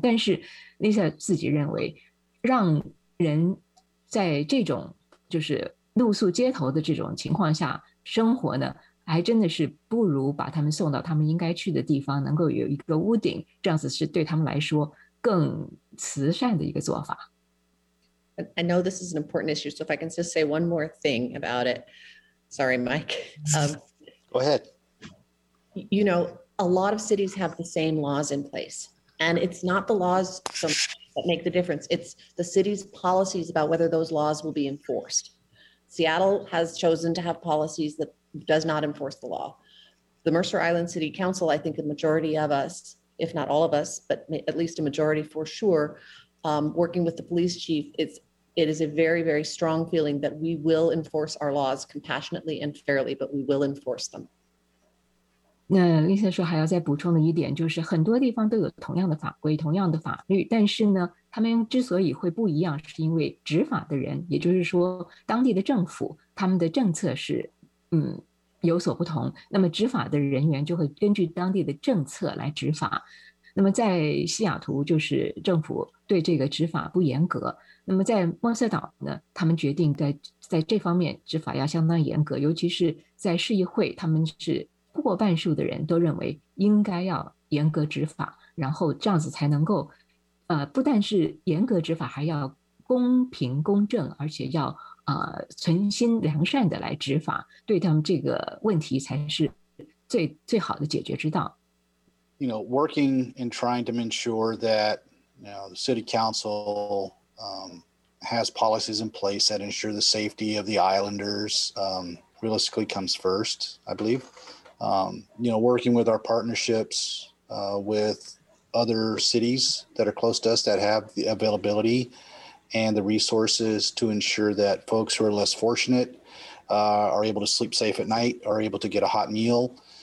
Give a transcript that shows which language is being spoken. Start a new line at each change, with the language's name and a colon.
Chinese: 但是 Lisa 自己认为，让人在这种就是露宿街头的这种情况下生活呢，还真的是不如把他们送到他们应该去的地方，能够有一个屋顶，这样子是对他们来说更慈善的一个做法。
English: I know this is an important issue, so if I can just say one more thing about it. Sorry, Mike. Go ahead. You know, a lot of cities have the same laws in place, and it's not the laws that make the difference. It's the city's policies about whether those laws will be enforced. Seattle has chosen to have policies that does not enforce the law. The Mercer Island City Council, I think the majority of us, if not all of us, but at least a majority for sure, working with the police chief, it is a very, very strong feeling that we will enforce our laws compassionately and fairly, but we will enforce them.
Chinese: 那 Lisa 说还要再补充的一点就是，很多地方都有同样的法规、同样的法律，但是呢，他们之所以会不一样，是因为执法的人，也就是说当地的政府，他们的政策是有所不同。那么执法的人员就会根据当地的政策来执法。那么在西雅图，就是政府对这个执法不严格。那么在莫瑟岛呢，他们决定在这方面执法要相当严格，尤其是在市议会，他们是过半数的人都认为应该要严格执法，然后这样子才能够不但是严格执法，还要公平公正，而且要存心良善的来执法，对他们这个问题才是最好的解决之道。
English: You know, working and trying to ensure that, you know, the city council has policies in place that ensure the safety of the islanders realistically comes first, I believe. You know, working with our partnerships with other cities that are close to us that have the availability and the resources to ensure that folks who are less fortunate are able to sleep safe at night, are able to get a hot meal.